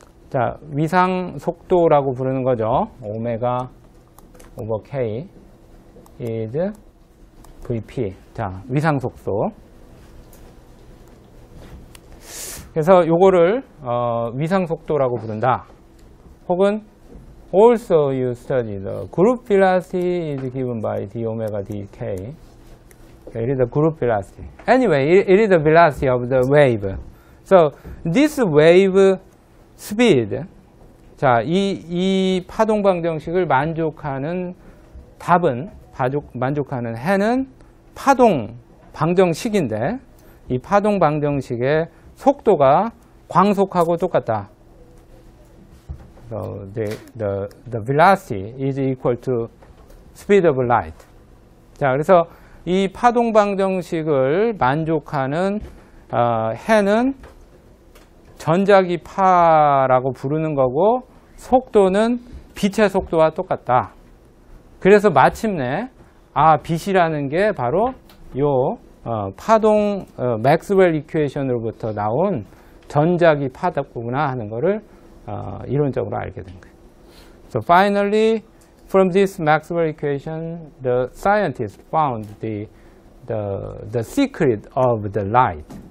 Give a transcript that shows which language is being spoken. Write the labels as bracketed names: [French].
[Korean] 자, 위상 속도라고 부르는 거죠. [English] 오메가 over k is vp. [Korean] 자, 위상 속도. 그래서 요거를 위상 속도라고 부른다. 혹은 [English] also you study the group velocity is given by d omega dk. It is the group velocity. Anyway, it is the velocity of the wave. So this wave speed, [Korean] 자, 이 파동방 정식을 만족하는 답은, 만족하는 해는 파동방 정식인데, 이 파동방 정식의 속도가 광속하고 똑같다. [English] So the velocity is equal to speed of light. [Korean] 자, 그래서 이 파동방 정식을 만족하는 해는 전자기파라고 부르는 거고 속도는 빛의 속도와 똑같다. 그래서 마침내 아 빛이라는 게 바로 요 파동 맥스웰 이퀘이션으로부터 나온 전자기파다구나 하는 거를 이론적으로 알게 된 거예요. [English] So finally, from this Maxwell equation, the scientists found the secret of the light.